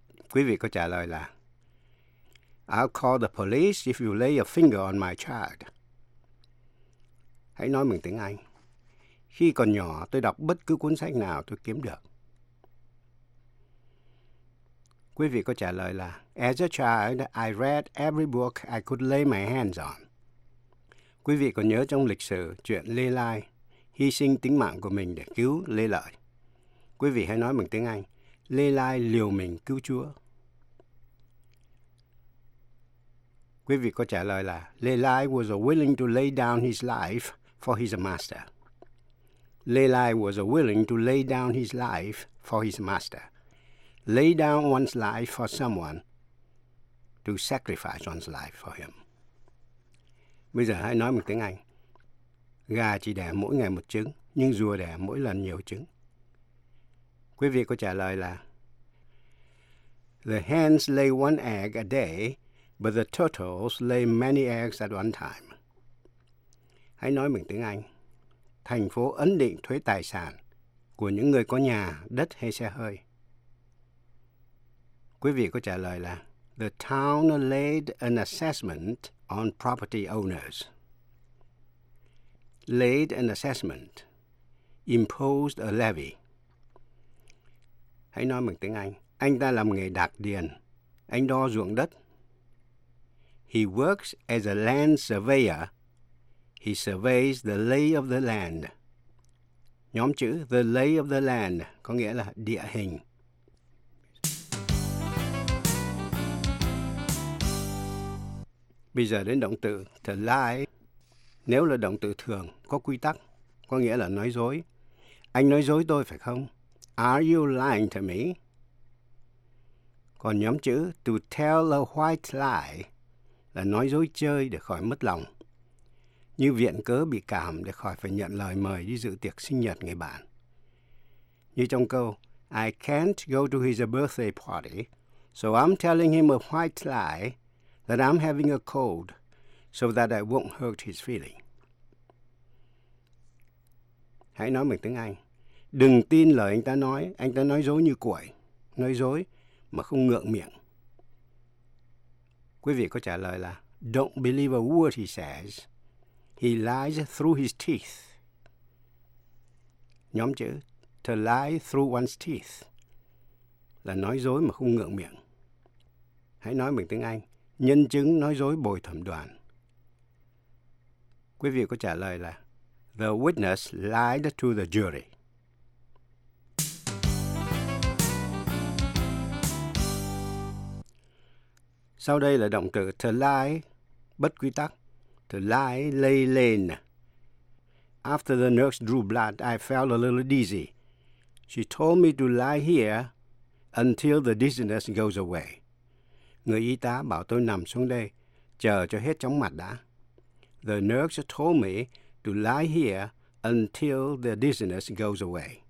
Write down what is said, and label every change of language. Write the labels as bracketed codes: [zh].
[vi] Quý vị có trả lời là [en] I'll call the police if you lay a finger on my child. [vi] Hãy nói bằng tiếng Anh. Khi còn nhỏ, tôi đọc bất cứ cuốn sách nào tôi kiếm được. Quý vị có trả lời là [en] as a child, I read every book I could lay my hands on. [vi] Quý vị còn nhớ trong lịch sử chuyện Lê Lai hy sinh tính mạng của mình để cứu Lê Lợi. Quý vị hãy nói bằng tiếng Anh. Lê Lai liều mình cứu Chúa. Quý vị có trả lời là [en] Lê Lai was willing to lay down his life for his master. Lê Lai was willing to lay down his life for his master. Lay down one's life for someone to sacrifice one's life for him. [vi] Bây giờ hãy nói một tiếng Anh. Gà chỉ đẻ mỗi ngày một trứng, nhưng rùa đẻ mỗi lần nhiều trứng. Quý vị có trả lời là [en] the hens lay one egg a day, but the turtles lay many eggs at one time. [vi] Hãy nói bằng tiếng Anh. Thành phố ấn định thuế tài sản của những người có nhà, đất hay xe hơi. Quý vị có trả lời là [en] the town laid an assessment on property owners. Laid an assessment. Imposed a levy. [vi] Hãy nói bằng tiếng Anh. Anh ta làm nghề đạc điền. Anh đo ruộng đất. [en] He works as a land surveyor. He surveys the lay of the land. [vi] Nhóm chữ [en] the lay of the land [vi] có nghĩa là địa hình. Bây giờ đến động từ to lie. Nếu là động từ thường, có quy tắc, có nghĩa là nói dối. Anh nói dối tôi phải không? [en] Are you lying to me? [vi] Còn nhóm chữ [en] to tell a white lie [vi] là nói dối chơi để khỏi mất lòng. Như viện cớ bị cảm để khỏi phải nhận lời mời đi dự tiệc sinh nhật người bạn. Như trong câu [en] I can't go to his birthday party, so I'm telling him a white lie that I'm having a cold so that I won't hurt his feeling. [vi] Hãy nói bằng tiếng Anh. Đừng tin lời anh ta nói dối như cuội, nói dối mà không ngượng miệng. Quý vị có trả lời là [en] don't believe a word he says, he lies through his teeth. [vi] Nhóm chữ [en] to lie through one's teeth [vi] là nói dối mà không ngượng miệng. Hãy nói bằng tiếng Anh, nhân chứng nói dối bồi thẩm đoàn. Quý vị có trả lời là [en] the witness lied to the jury. [vi] Sau đây là động từ to lie, bất quy tắc. [en] To lie, lay lane. After the nurse drew blood, I felt a little dizzy. She told me to lie here until the dizziness goes away. [vi] Người y tá bảo tôi nằm xuống đây, chờ cho hết chóng mặt đã. [en] The nurse told me to lie here until the dizziness goes away.